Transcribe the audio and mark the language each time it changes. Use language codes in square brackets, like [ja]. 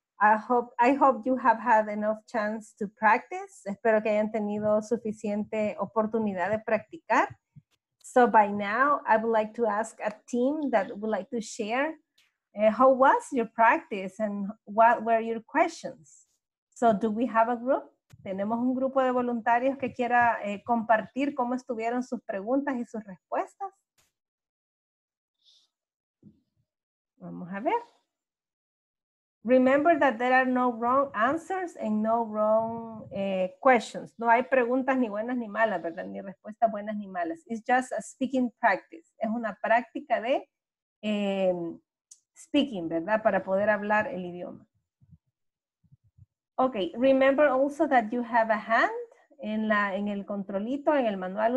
[en] I hope you have had enough chance to practice. [es] Espero que hayan tenido suficiente oportunidad de practicar. [en] So by now, I would like to ask a team that would like to share how was your practice and what were your questions? So do we have a group? [es] ¿Tenemos un grupo de voluntarios que quiera compartir cómo estuvieron sus preguntas y sus respuestas? Vamos a ver. [en] Remember that there are no wrong answers and no wrong questions. [es] No hay preguntas ni buenas ni malas, ¿verdad? Ni respuestas buenas ni malas. [en] It's just a speaking practice. [es] Es una práctica de speaking, ¿verdad? Para poder hablar el idioma. [en] Okay, remember also that you have a hand [es] en el controlito, en el manual.